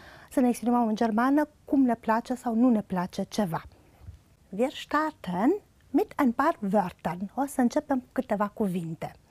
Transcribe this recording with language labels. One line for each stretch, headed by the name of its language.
Romanian: Să ne exprimăm în germană cum ne place sau nu ne place ceva.
German: Wir starten mit ein paar Wörtern.
Romanian: O să începem cu câteva cuvinte.